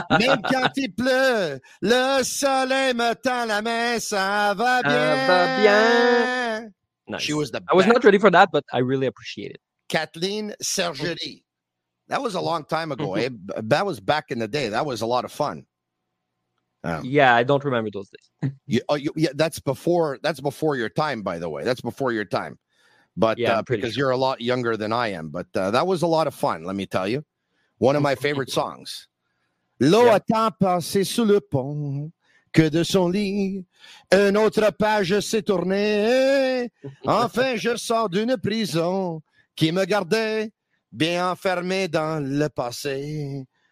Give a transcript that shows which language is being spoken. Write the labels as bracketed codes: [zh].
[fr] Même quand il pleut, le soleil me tend la main. Ça va bien. Ça va bien. [en] Nice. She was the best. I was not ready for that, but I really appreciate it. Kathleen Sergery. That was a long time ago. Mm-hmm. That was back in the day. That was a lot of fun. Yeah, I don't remember those days. That's before your time, by the way. That's before your time. But yeah, because you're a lot younger than I am. But that was a lot of fun, let me tell you. One of my favorite songs. [fr] L'eau a tant passé sous le pont que de son lit. Une autre page s'est tournée. Enfin, je sors d'une prison qui me gardait bien enfermé dans le passé.